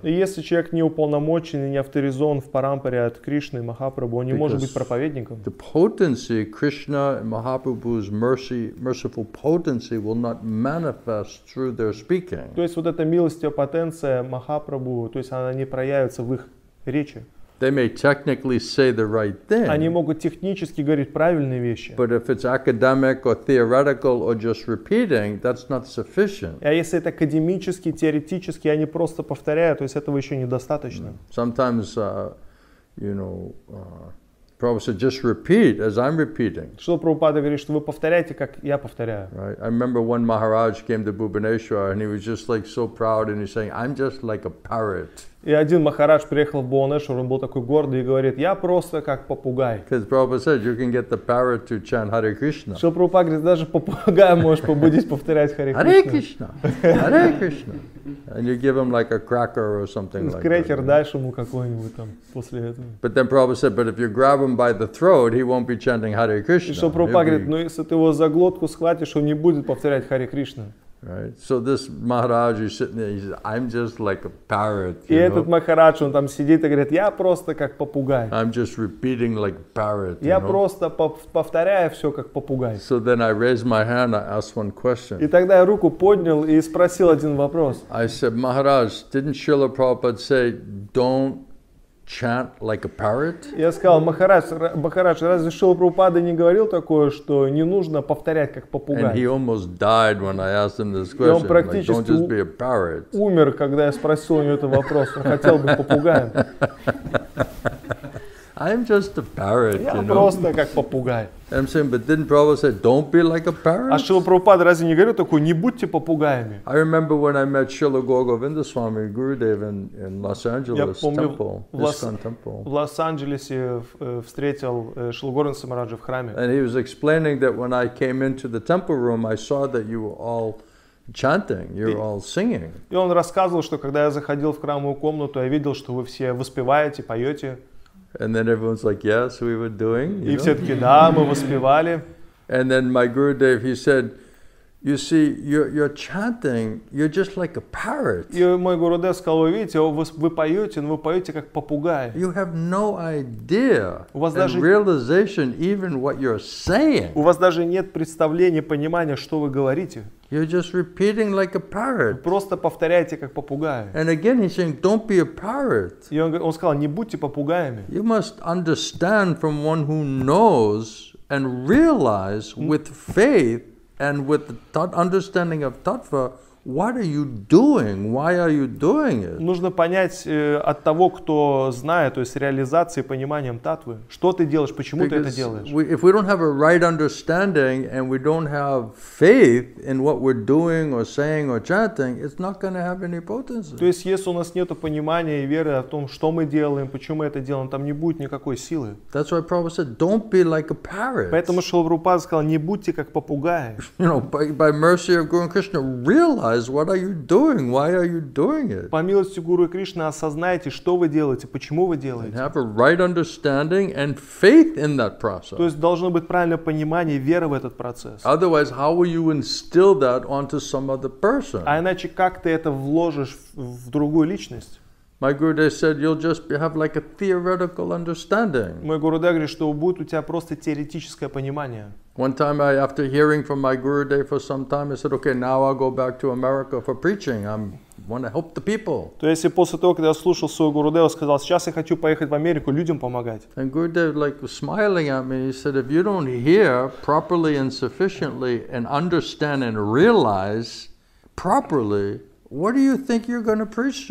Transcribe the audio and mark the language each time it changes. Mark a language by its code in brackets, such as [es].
[ru] И если человек не уполномочен и не авторизован в парампаре от Кришны и Махапрабху, он не может быть проповедником. [en] The potency, Krishna and Mahaprabhu's mercy, merciful potency will not manifest through their speaking. [ru] То есть вот эта милость и потенция Махапрабху, то есть она не проявится в их речи. [en] They may technically say the right thing. [ru] Они могут технически говорить правильные вещи. [en] But if it's academic or theoretical or just repeating, that's not sufficient. [ru] А если это академически, теоретически, они просто повторяют, то есть этого еще недостаточно. [en] Sometimes, you know, Prabhupada said, just repeat as I'm repeating. [ru] Что Прабхупада говорит, что вы повторяете, как я повторяю. [en] Right. I remember one Maharaj came to Bhubaneswar and he was just like so proud and he's saying, I'm just like a parrot. [ru] И один махарадж приехал в Бхубанешвар, он был такой гордый и говорит, я просто как попугай. [en] Because Prabhupada said, you can get the parrot to chant Hare Krishna. [ru] Что Прабхупада говорит, даже попугай можешь побудить повторять Харе Кришна. Харе Кришна! Харе Кришна! [en] And you give him like a cracker or something like that. [ru] Крекер дашь ему какой-нибудь там после этого. [en] But then Prabhupada said, but if you grab him by the throat, he won't be chanting Hare Krishna. [ru] Что Прабхупада говорит, ну если ты его за глотку схватишь, он не будет повторять Харе Кришна. [en] Right. So this Maharaj is sitting there. He's, I'm just like a parrot. [ru] И этот Махарадж, он там сидит и говорит, я просто как попугай. [en] I'm just repeating like a parrot. [ru] Я просто повторяю все как попугай. [en] So then I raised my hand. I asked one question. [ru] И тогда я руку поднял и спросил один вопрос. [en] I said, Maharaj, didn't Srila Prabhupada say, don't chant like a parrot? [ru] Я сказал, Махарадж, разве Шрила Прабхупада не говорил такое, что не нужно повторять как попугай? [en] And he almost died when I asked him this question. [ru] Он практически [en] like, don't just be a parrot. [ru] Умер, когда я спросил у него этот вопрос. Он хотел быть попугаем. [en] I'm just a parrot, [ru] я [en] you [ru] просто [en] know? [ru] Как попугай. [en] I'm saying, but didn't Prabhupada say, don't be like a parrot? [ru] А Шрила Прабхупада разве не говорил такое, не будьте попугаями? [en] I remember when I met Шрила Гоговинда Свами Гурудев in Los Angeles [ru] я помню, [en] temple, ISKCON temple. [ru] В Лос-Анджелесе встретил Шрила Гоговинда Самараджа в храме. [en] And he was explaining that when I came into the temple room, I saw that you were all chanting, you're all singing. [ru] И он рассказывал, что когда я заходил в храмовую комнату, я видел, что вы все воспеваете, поете. [en] And then everyone's like, "Yes, we were doing." [ru] И все-таки да, мы воспевали. [en] And then my Gurudev, he said, "You see, you're chanting. You're just like a parrot." [ru] И мой Гурудев сказал, вы видите, вы поете, но вы поете как попугай. [en] You have no idea. [ru] У вас даже [en] realization even what you're saying. [ru] У вас даже нет представления, понимания, что вы говорите. [en] You're just repeating like a parrot. [ru] Просто повторяете как попугай. [en] And again he's saying, don't be a parrot. [ru] И он сказал, не будьте попугаями. [en] You must understand from one who knows and realize with faith and with the understanding of tattva, what are you doing? Why are you doing it? [ru] Нужно понять от того, кто знает, то есть реализацией, пониманием таттвы, что ты делаешь, почему [en] Because [ru] ты это делаешь. [en] We, if we don't have a right understanding and we don't have faith in what we're doing or saying or chanting, it's not going to have any potency. [ru] То есть если у нас нет понимания и веры о том, что мы делаем, почему мы это делаем, там не будет никакой силы. [en] That's why Prabhupada said, don't be like a parrot. [ru] Поэтому Шрила Прабхупада сказал, не будьте как попугаи. [en] You know, by mercy of Guru and Krishna, realize. What are you doing? Why are you doing it? [ru] По милости Гуру и Кришны осознайте, что вы делаете, почему вы делаете. [en] And have a right understanding and faith in that process. [ru] То есть должно быть правильное понимание, вера в этот процесс. [en] Otherwise, how will you instill that onto some other person? [ru] А иначе как ты это вложишь в другую личность? [en] My Gurudev said, you'll just have like a theoretical understanding. [ru] Мой Гурудев говорит, что будет у тебя просто теоретическое понимание. [en] One time, I, after hearing from my Gurudev for some time, I said, okay, now I'll go back to America for preaching. I want to help the people. [ru] То есть, после того, когда я слушал своего Гурудева, сказал, сейчас я хочу поехать в Америку, людям помогать. [en] And Gurudev like was smiling at me. He said, if you don't hear properly and sufficiently and understand and realize properly, what do you think you're going to preach?